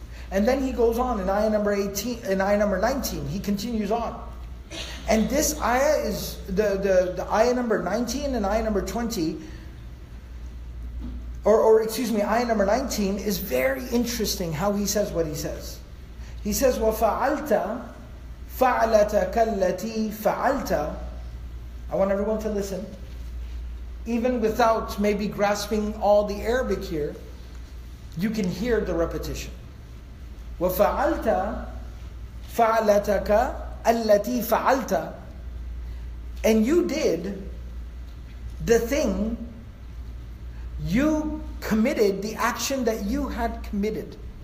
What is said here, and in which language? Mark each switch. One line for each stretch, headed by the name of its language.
English: And then he goes on in ayah number 19, he continues on. And this ayah is, the ayah number 19 and ayah number 20, or excuse me, ayah number 19 is very interesting how he says what he says. He says,
Arabic: وَفَعَلْتَ فَعَلَتَكَ الَّتِي فَعَلْتَ.
English: I want everyone to listen. Even without maybe grasping all the Arabic here, you can hear the repetition.
Arabic: وَفَعَلْتَ فَعَلَتَكَ الَّتِي فَعَلْتَ.
English: And you did the thing, you committed the action that you had committed.